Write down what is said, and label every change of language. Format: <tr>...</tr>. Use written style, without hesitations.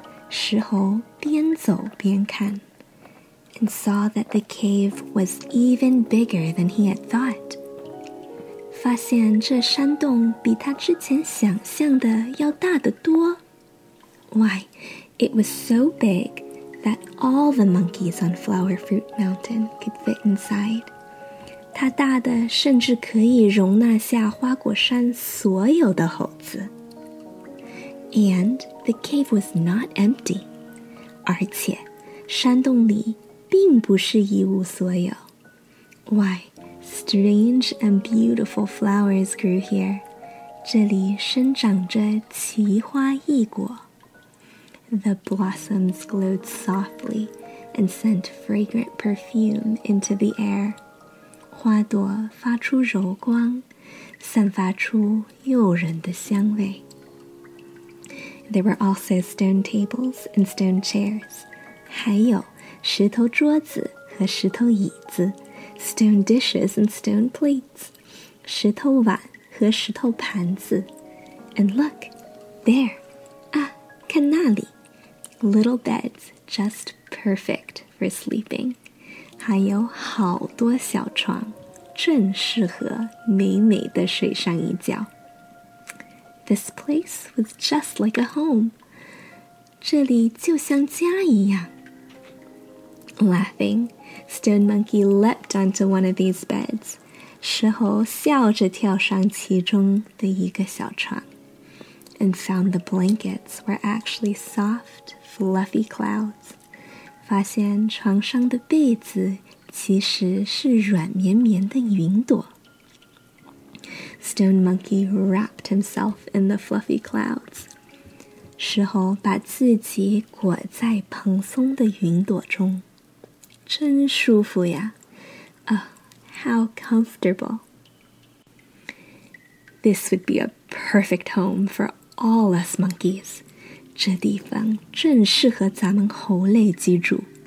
<zh>石猴边走边看,</zh> <en>and saw that the cave was even bigger than he had thought.</en> <zh>发现这山洞比他之前想象的要大得多。</zh> <en>Why, it was so big that all the monkeys on Flower Fruit Mountain could fit inside.</en> <zh>它大的甚至可以容纳下花果山所有的猴子。</zh> <en>And the cave was not empty.</en> <zh>而且山洞里并不是一无所有。</zh> <en>Why, strange and beautiful flowers grew here.</en> <zh>这里生长着奇花异果。</zh> <en>The blossoms glowed softly and sent fragrant perfume into the air.</en> <zh>花朵发出柔光，散发出诱人的香味。</zh> <en>There were also stone tables and stone chairs.</en> <zh>还有石头桌子和石头椅子。</zh> <en>Stone dishes and stone plates.</en> <zh>石头碗和石头盘子。</zh> <en>And look, there.</en> <zh>啊，看那里。</zh> <en>Little beds just perfect for sleeping.</en> <zh>还有好多小床，正适合美美的睡上一觉。</zh> <en>This place was just like a home.</en> <zh>这里就像家一样。</zh> <en>Laughing, Stone Monkey leapt onto one of these beds.</en> <zh>石猴笑着跳上其中的一个小床。</zh> <en>And found the blankets were actually soft, fluffy clouds.</en> <zh>发现床上的被子其实是软绵绵的云朵。</zh> <en>Stone Monkey wrapped himself in the fluffy clouds.</en> <zh>石猴把自己裹在蓬松的云朵中。真舒服呀。</zh> <en>Oh, how comfortable. This would be a perfect home for all us monkeys.</en> <zh>这地方正适合咱们猴类居住。</zh>